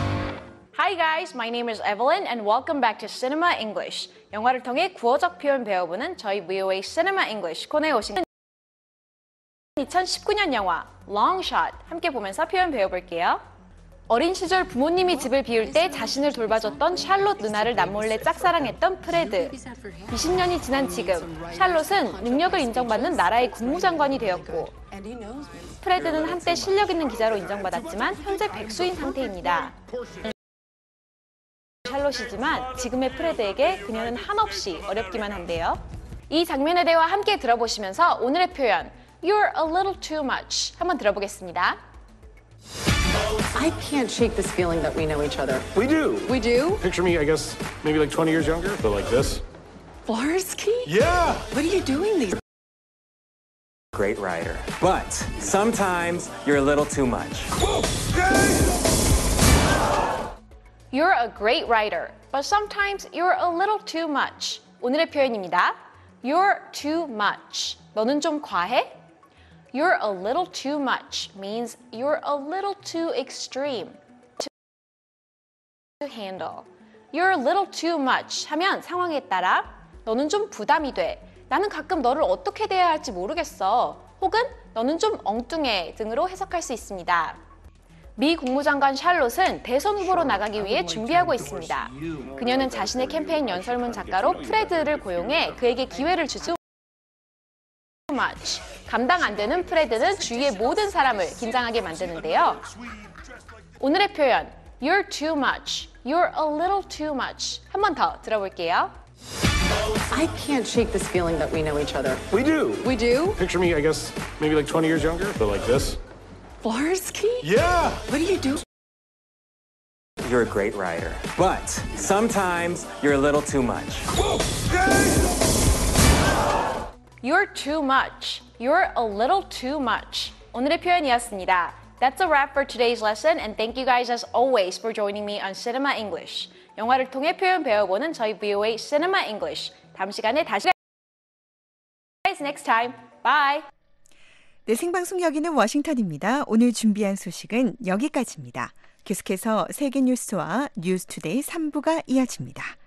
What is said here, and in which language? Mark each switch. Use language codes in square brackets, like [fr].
[ko] 안녕하세요. [en] My name is Evelyn and welcome back to Cinema English. [ko] 영화를 통해 구어적 표현 배워보는 저희 VOA Cinema English 코너에 오신 2019년 영화 Long Shot 함께 보면서 표현 배워볼게요. 어린 시절 부모님이 집을 비울 때 자신을 돌봐줬던 샬롯 누나를 남몰래 짝사랑했던 프레드. 20년이 지난 지금 샬롯은 능력을 인정받는 나라의 국무장관이 되었고 프레드는 한때 실력 있는 기자로 인정받았지만 현재 백수인 상태입니다. 샬롯이지만 지금의 프레드에게 그녀는 한없이 어렵기만 한데요. 이 장면의 대화 함께 들어보시면서 오늘의 표현 [en] You're a little too much [ko] 한번 들어보겠습니다. [en] I can't shake this feeling that we know each other. We do. We do? Picture me, I guess, maybe like 20 years younger, but like this. Florsky? Yeah! What are you doing these days? Great writer. But sometimes you're a little too much. You're a great writer, but sometimes you're a little too much. [ko] 오늘의 표현입니다. [en] You're too much. [ko] 너는 좀 과해? [en] You're a little too much means you're a little too extreme to handle. You're a little too much [ko] 하면 상황에 따라 너는 좀 부담이 돼. 나는 가끔 너를 어떻게 대해야 할지 모르겠어. 혹은 너는 좀 엉뚱해 등으로 해석할 수 있습니다. 미 국무장관 샬롯은 대선 후보로 나가기 위해 준비하고 있습니다. 그녀는 자신의 캠페인 연설문 작가로 프레드를 고용해 그에게 기회를 주죠. [en] Much. [ko] 감당 안 되는 프레드는 주위의 모든 사람을 긴장하게 만드는데요. 오늘의 표현, [en] You're too much. You're a little too much. [ko] 한 번 더 들어볼게요. [en] I can't shake this feeling that we know each other. We do. We do? Picture me, I guess, maybe like 20 years younger, but like this. Florsky? Yeah! What do you do? You're a great writer. But sometimes you're a little too much. You're too much. You're a little too much. [ko] 오늘의 표현이었습니다. [en] That's a wrap for today's lesson, and thank you guys as always for joining me on Cinema English. [ko] 영화를 통해 표현 배워보는 저희 VOA Cinema English. 다음 시간에 다시 [en] guys next time. Bye. [ko] 네, 생방송 여기는 워싱턴입니다. 오늘 준비한 소식은 여기까지입니다. 계속해서 세계 뉴스와 뉴스 투데이 3부가 이어집니다.